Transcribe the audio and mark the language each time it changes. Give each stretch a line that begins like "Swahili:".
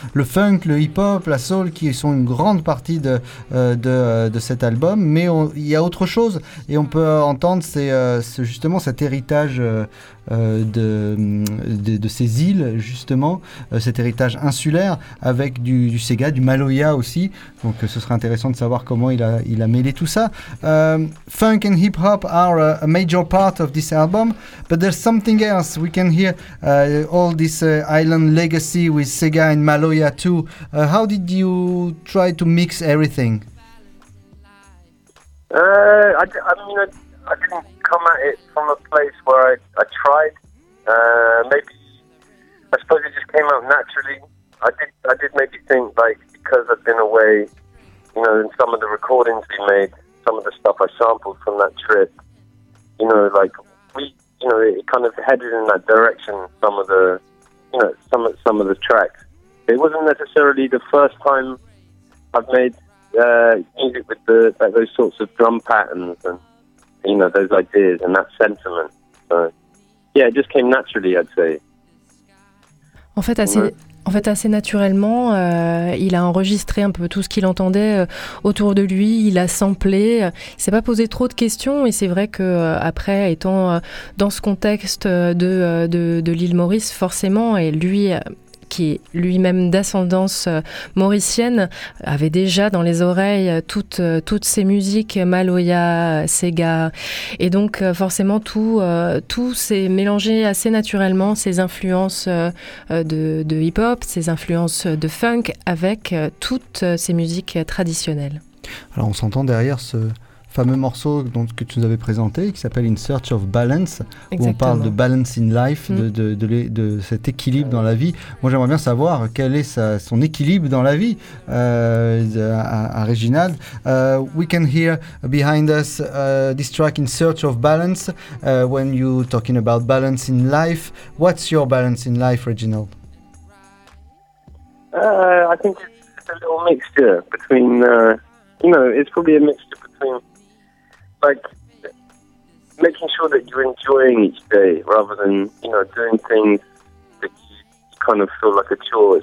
French: Le funk, le hip-hop, la soul qui sont une grande partie de cet album, mais il y a autre chose et on peut entendre c'est justement cet héritage de ces îles, justement, cet héritage insulaire avec du Sega, du Maloya aussi. Donc ce serait intéressant de savoir comment il a mêlé tout ça.
English: Funk and hip hop are a major part of this album, but there's something else. We can hear all this island legacy with Sega and Maloya too. How did you try to mix everything? I didn't come at it from a place where I tried. Maybe I suppose it just came out naturally. I did maybe think, like, because I've been away, in some of the recordings we made, some of the stuff I sampled from that trip, it kind of headed in that direction, some of the tracks. It wasn't necessarily the first time I've made music with like those sorts of drum patterns and those ideas and that sentiment. So, yeah, it just came naturally, I'd say.
French: Assez naturellement, il a enregistré un peu tout ce qu'il entendait autour de lui, il a samplé, il s'est pas posé trop de questions, et c'est vrai qu'après, étant dans ce contexte de l'île Maurice, forcément, et lui... qui est lui-même d'ascendance mauricienne, avait déjà dans les oreilles toutes ces musiques Maloya, Sega, et donc forcément tout s'est mélangé assez naturellement, ces influences de hip-hop, ces influences de funk, avec toutes ces musiques traditionnelles. Alors on s'entend derrière ce fameux morceau que tu nous avais présenté qui s'appelle In Search of Balance. Exactement. Où on parle de
English: balance in life,
French: de cet équilibre dans la vie. Moi j'aimerais bien savoir quel est son équilibre dans la vie à Reginald.
English: We can hear behind us this track In Search of Balance. When you talking about balance in life, what's your balance in life, Reginald? I think it's a little mixture between it's probably a mixture between, like, making sure that you're enjoying each day rather than, doing things that you kind of feel like a chore.